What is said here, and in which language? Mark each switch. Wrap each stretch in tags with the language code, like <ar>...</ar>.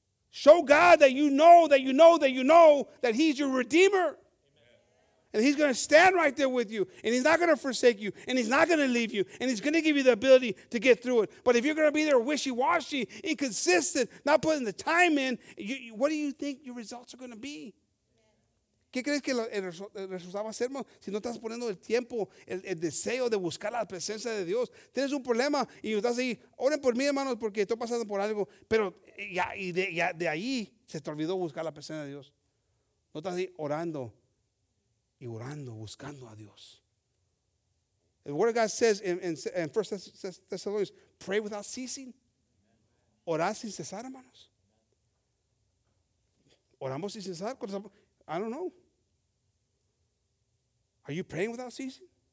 <en>Show God that you know, that you know, that you know that he's your redeemer. And he's going to stand right there with you. And he's not going to forsake you. And he's not going to leave you. And he's going to give you the ability to get through it. But if you're going to be there wishy-washy, inconsistent, not putting the time in, what do you think your results are going to be?</en> <es>¿Qué crees que el resultado va a ser? Si no estás poniendo el tiempo, el deseo de buscar la presencia de Dios, tienes un problema y estás ahí, oren por mí, hermanos, porque estoy pasando por algo. Pero de ahí se te olvidó buscar la presencia de Dios. No estás ahí orando y orando, buscando a Dios.</es> <en>The Word of God says in 1 Thessalonians, pray without ceasing.</en> <es>Orar sin cesar, hermanos. Oramos sin cesar.</es> <en>I don't know. Are you praying without ceasing?</en>